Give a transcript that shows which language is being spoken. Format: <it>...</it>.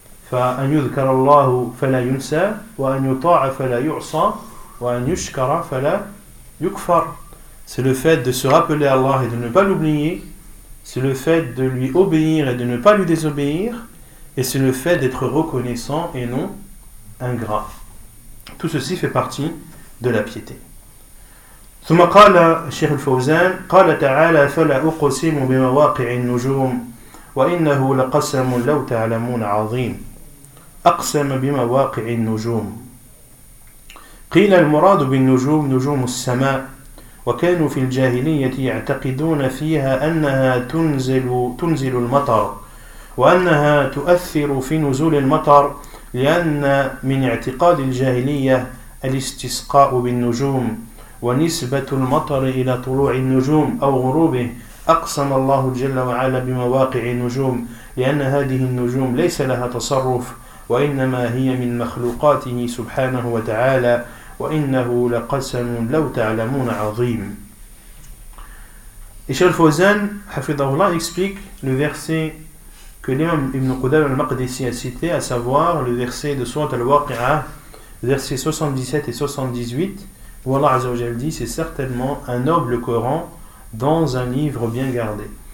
<ar>فَأَنْ يُذْكَرَ اللَّهُ فَلَا يُنْسَى وَأَنْ يُطَاعَ فَلَا يُعْصَى وَأَنْ يُشْكَرَ فَلَا يُكْفَرَ.</ar> <fr>C'est le fait de se rappeler Allah et de ne pas l'oublier, c'est le fait de lui obéir et de ne pas lui désobéir, et c'est le fait d'être reconnaissant et non ingrat. Tout ceci fait partie de la piété.</fr> <ar>ثم قال شيخ الفوزان قال تعالى فلا أقسم بمواقع النجوم وإنه لقسم لو تعلمون عظيم. أقسم بمواقع النجوم. قيل المراد بالنجوم نجوم السماء، وكانوا في الجاهلية يعتقدون فيها أنها تنزل المطر، وأنها تؤثر في نزول المطر، لأن من اعتقاد الجاهلية الاستسقاء بالنجوم، ونسبة المطر إلى طلوع النجوم أو غروبه. أقسم الله جل وعلا بمواقع النجوم لأن هذه النجوم ليس لها تصرف وإنما هي من مخلوقاته سبحانه وتعالى وإنه لقسم لو تعلمون عظيم. إشار فوزان حفظه الله</ar> <fr>explique le verset que l'imam Ibn Qudam al-Maqdisi a cité, à savoir le verset de Sourate Al-Waqi'a, versets 77 et 78, où Allah Azza wa Jal dit, c'est certainement un noble Coran dans un livre bien gardé.</fr>